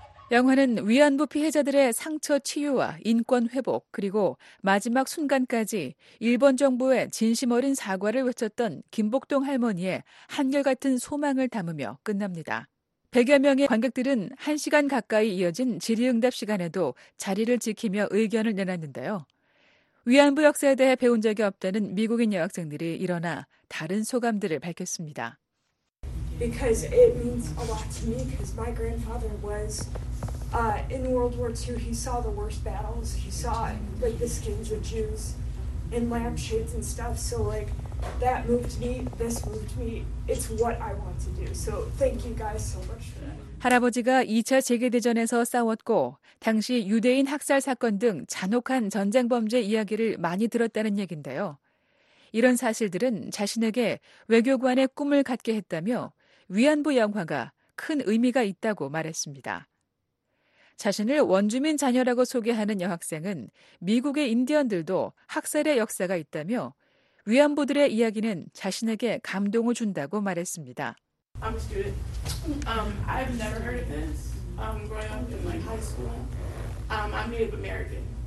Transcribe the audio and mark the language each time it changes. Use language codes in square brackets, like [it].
[ko] 영화는 위안부 피해자들의 상처 치유와 인권 회복 그리고 마지막 순간까지 일본 정부의 진심 어린 사과를 외쳤던 김복동 할머니의 한결같은 소망을 담으며 끝납니다. 100여 명의 관객들은 1시간 가까이 이어진 질의응답 시간에도 자리를 지키며 의견을 내놨는데요. 위안부 역사에 대해 배운 적이 없다는 미국인 여학생들이 일어나 다른 소감들을 밝혔습니다. [en] Because it means a lot to me because my grandfather was in World War II. He saw the worst battles. He saw like the skins of Jews and lampshades and stuff. So like that moved me. This moved me. It's what I want to do. So thank you guys so much for that. [ko] 할아버지가 2차 세계대전에서 싸웠고 당시 유대인 학살 사건 등 잔혹한 전쟁 범죄 이야기를 많이 들었다는 얘긴데요. 이런 사실들은 자신에게 외교관의 꿈을 갖게 했다며 위안부 영화가 큰 의미가 있다고 말했습니다. 자신을 원주민 자녀라고 소개하는 여학생은 미국의 인디언들도 학살의 역사가 있다며 위안부들의 이야기는 자신에게 감동을 준다고 말했습니다. [en] I'm a student. I've never heard of this. Growing up in like high school, I'm Native American.